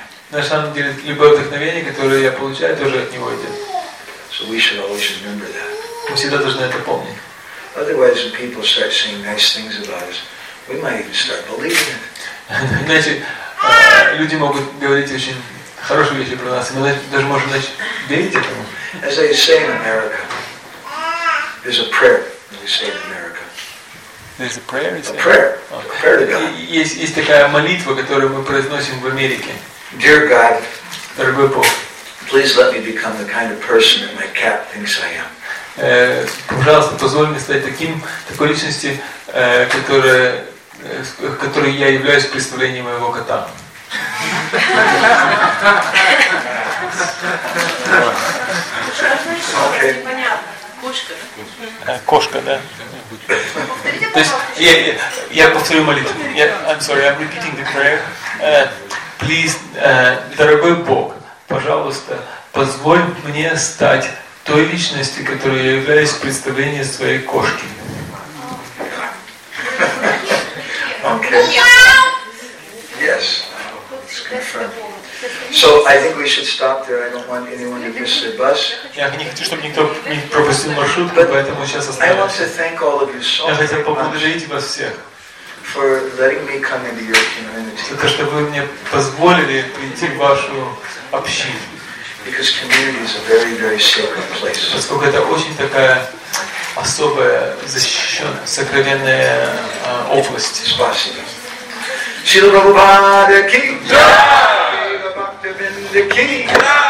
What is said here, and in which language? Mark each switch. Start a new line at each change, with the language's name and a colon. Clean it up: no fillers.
Russian: На самом деле, любое вдохновение, которое я получаю, тоже от него идет. Мы всегда должны это помнить.
English: Otherwise, when people start saying nice things about us, we might even start believing it.
Russian: Знаете, люди могут говорить очень хорошие вещи про нас, и мы даже можем начать верить этому.
English: As they say in America, there's a prayer that we say in America. There's a prayer? A prayer. Oh. A prayer to God.
Russian: Есть такая молитва, которую мы произносим в Америке.
English: Dear God,
Russian: дорогой Бог,
English: please let me become the kind of person that my cat thinks I am.
Russian: Пожалуйста, позволь мне стать такой личностью, которой я являюсь в представлении моего кота. Кошка, да? То есть, я повторю молитву.
English: I'm sorry, I'm repeating the prayer.
Russian: Please, дорогой Бог, пожалуйста, позволь мне стать той личности, которой я являюсь в представлении своей кошки.
English: Okay. Yes. So I think we should stop there. I don't want anyone to miss the bus.
Russian: Я не хочу, чтобы никто не пропустил маршрутку, поэтому сейчас остановимся. Я хотел поблагодарить вас всех
English: for letting me come into your community.
Russian: За то, что вы мне позволили прийти в вашу общину.
English: Because community is a very, very sacred place.
Russian: Поскольку это очень такая особая защищенная, сокровенная область. Спасибо. Шрила Прабхупада ки джай! Шрила Бхактивинда ки джай!